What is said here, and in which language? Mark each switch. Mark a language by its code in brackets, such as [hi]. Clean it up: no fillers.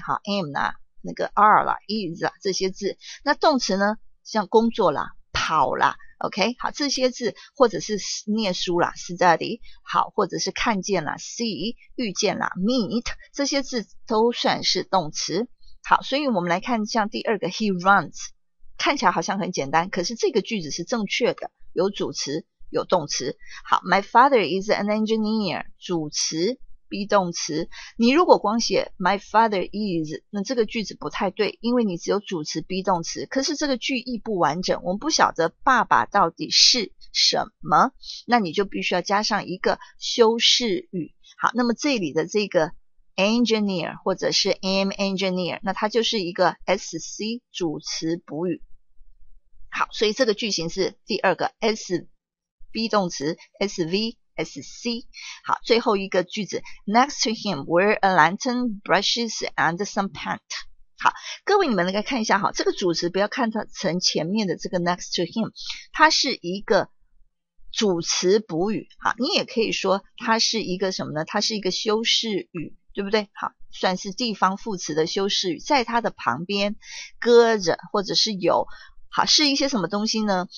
[zh] 好， am 啦，那个 are 啦， is 啦，这些字，那动词呢，像工作啦，跑啦， OK， 好，这些字，或者是念书啦， study， 好，或者是看见啦， see， 遇见啦， meet， 这些字都算是动词。好，所以我们来看像第二个 [en] he runs， [zh] 看起来好像很简单，可是这个句子是正确的，有主词有动词。 [en] 好， my father is an engineer， [zh] 主词 be 动词。你如果光写 [en] my father is， [zh] 那这个句子不太对，因为你只有主词 be 动词，可是这个句意不完整，我们不晓得爸爸到底是什么，那你就必须要加上一个修饰语。好，那么这里的这个engineer 或者是 am engineer， 那它就是一个 SC 主词补语。好，所以这个句型是第二个 SV 动词 SV [en] SC。 [zh] 好，最后一个句子 [en] Next to him were a lantern, brushes and some paint。 [zh] 好，各位你们来看一下，好，这个主词不要看它成前面的这个 next to him， 它是一个主词补语。好，你也可以说它是一个什么呢，它是一个修饰语，对不对？好，算是地方副词的修饰语，在它的旁边搁着或者是有，好，是一些什么东西呢？